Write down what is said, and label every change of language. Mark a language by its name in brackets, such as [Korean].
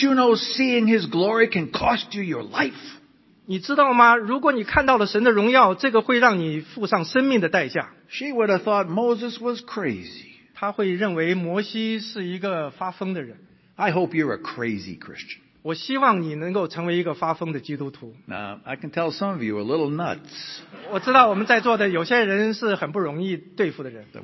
[English] you know seeing His glory can cost you your life? [Chinese] 你知道吗？如果你看到了神的荣耀，这个会让你付上生命的代价。 [English] She would have thought Moses was crazy. [Chinese] 他会认为摩西是一个发疯的人。 [English] I hope you're a crazy Christian. [Chinese] 我希望你能够成为一个发疯的基督徒。 [English] Now, I can tell some of you are a little nuts. [Chinese] 我知道我们在座的有些人是很不容易对付的人。 [English] But